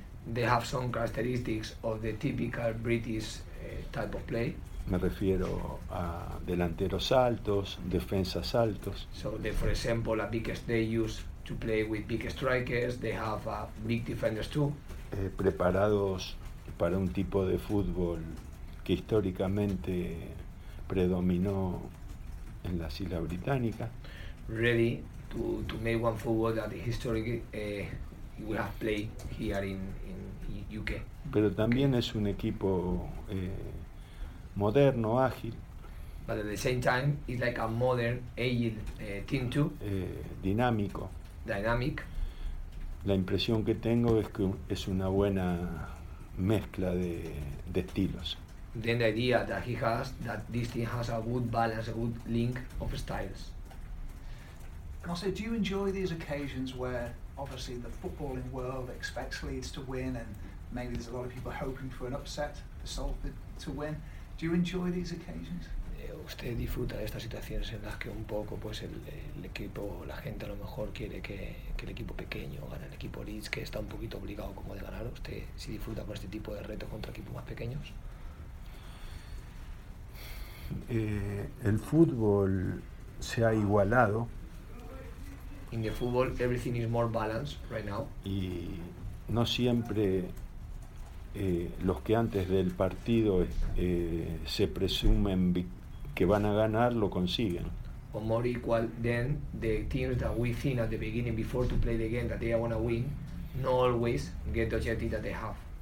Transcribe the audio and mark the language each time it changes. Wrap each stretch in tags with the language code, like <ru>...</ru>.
<en>They have some characteristics of the typical British type of play.</en> <es>Me refiero a delanteros altos, defensas altos.</es> <en>So they, for example, a biggest they use to play with big strikers, they have big defenders too.</en> <es>Preparados para un tipo de fútbol que históricamente predominó en las Islas Británicas.</es> <en>Ready to make one forward that historically we have played here in UK.</en> <es>Pero también es un equipo moderno, ágil,</es> <en>But at the same time, it's like a modern, agile team too.</en> <es>dinámico.</es> <en>Dynamic.</en> <es>La impresión que tengo es que es una buena mezcla de estilos.</es> <en>Then the idea that he has, that this team has a good balance, a good link of styles. And also, do you enjoy these occasions where obviously the footballing world expects Leeds to win and maybe there's a lot of people hoping for an upset for Salford to win? Do you enjoy these occasions?</en> <es>Usted disfruta de estas situaciones en las que un poco pues el equipo, la gente a lo mejor quiere que el equipo pequeño gane el equipo Leeds, que está un poquito obligado como de ganar. ¿Usted si sí disfruta con este tipo de retos contra equipos más pequeños? El fútbol se ha igualado</es> <en>In the football, everything is more balanced right now.</en> <es>y no siempre los que antes del partido se presumen que van a ganar lo consiguen.</es> <en>Or more equal than the teams that we think at the beginning before to play the game that they are going to win, not always get the objective that they have.</en>